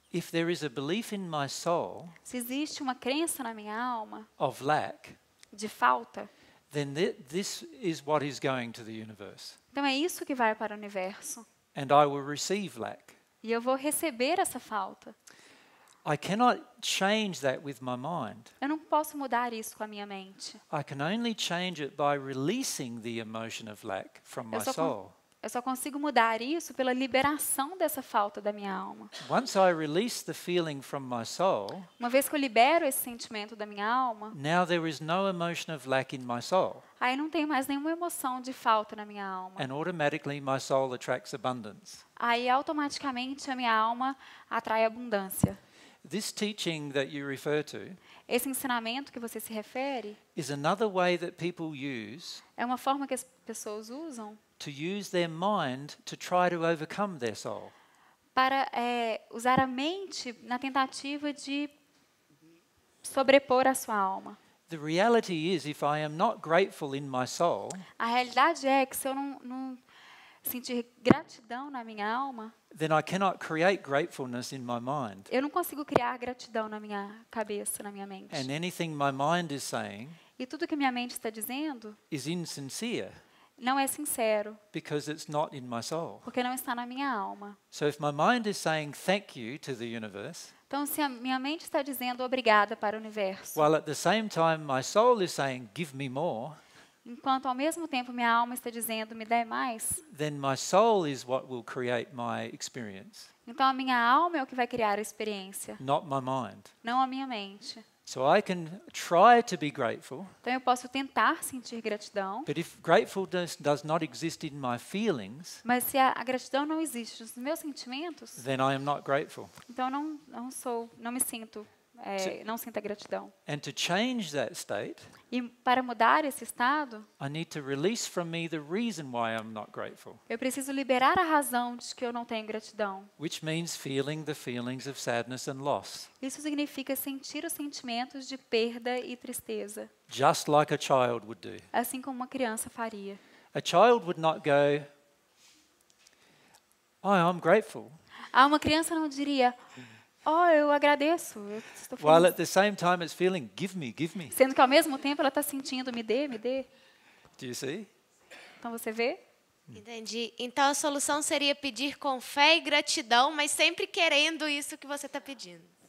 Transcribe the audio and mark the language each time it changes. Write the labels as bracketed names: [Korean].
[English] if there is a belief in my soul, [Portuguese] se existe uma crença na minha alma [English] of lack, [Portuguese] de falta, [English] then this is what is going to the universe. [Portuguese] Então é isso que vai para o universo. [English] And I will receive lack. [Portuguese] E eu vou receber essa falta. [English] I cannot change that with my mind. [Portuguese] Eu não posso mudar isso com a minha mente. [English] I can only change it by releasing the emotion of lack from my soul. [Portuguese] Eu só consigo mudar isso pela liberação dessa falta da minha alma. [English] Once I release the feeling from my soul, [Portuguese] uma vez que eu libero esse sentimento da minha alma, [English] now there is no emotion of lack in my soul. [Portuguese] Aí não tem mais nenhuma emoção de falta na minha alma. [English] And automatically my soul attracts abundance. [Portuguese] Aí automaticamente a minha alma atrai abundância. [English] This teaching that you refer to, [Portuguese] esse ensinamento que você se refere, [English] is another way that people use, [Portuguese] é uma forma que as pessoas usam, [English] to use their mind to try to overcome their soul. [Portuguese] Para usar a mente na tentativa de sobrepor a sua alma. [English] The reality is, if I am not grateful in my soul, [Portuguese] a realidade é que se eu não sentir gratidão na minha alma, [English] then I cannot create gratefulness in my mind. [Portuguese] Eu não consigo criar gratidão na minha cabeça, na minha mente. [English] And anything my mind is saying, [Portuguese] e tudo que minha mente está dizendo, [English] is insincere. [Portuguese] não é sincero. [English] Because it's not in my soul. [Portuguese] Porque não está na minha alma. [English] So if my mind is saying thank you to the universe. [Portuguese] Então se a minha mente está dizendo obrigada para o universo. [English] While at the same time my soul is saying give me more. [Portuguese] Enquanto ao mesmo tempo minha alma está dizendo me dê mais. [English] Then my soul is what will create my experience. [Portuguese] Então a minha alma é o que vai criar a experiência. [English] Not my mind. [Portuguese] Não a minha mente. [English] So I can try to be grateful. [Portuguese] Então eu posso tentar sentir gratidão. [English] But if gratefulness does not exist in my feelings. [Portuguese] Mas se a gratidão não existe nos meus sentimentos. [English] Then I am not grateful. [Portuguese] Então não sinto a gratidão. [English] And to change that state. [Portuguese] E para mudar esse estado. [English] I need to release from me the reason why I'm not grateful. [Portuguese] Eu preciso liberar a razão de que eu não tenho gratidão. [English] Which means feeling the feelings of sadness and loss. [Portuguese] Isso significa sentir os sentimentos de perda e tristeza. [English] Just like a child would do. [Portuguese] Assim como uma criança faria. [English] A child would not go, "Oh, I'm grateful." [Portuguese] Ah, uma criança não diria, "Oh, eu agradeço." [English] While at the same time it's feeling, "Give me, give me." [Portuguese] Sendo que ao mesmo tempo ela está sentindo, "Me dê, me dê." [English] Do you see? [Portuguese] Então você vê? Entendi. Então a solução seria pedir com fé e gratidão, mas sempre querendo isso que você está pedindo.